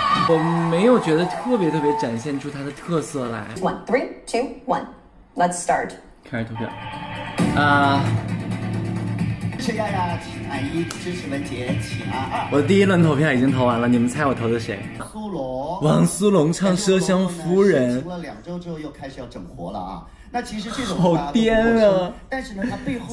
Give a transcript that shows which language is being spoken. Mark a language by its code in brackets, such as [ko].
[zh] 我没有觉得特别特别展现出它的特色来。 [en] One, three, two, one, let's start. [zh] 开始投票。谢谢呀，请阿姨支持文杰，请二。我第一轮投票已经投完了，你们猜我投的谁？苏龙。王苏龙唱《奢香夫人》。停了两周之后又开始要整活了啊！那其实这种好颠啊！但是呢，它背后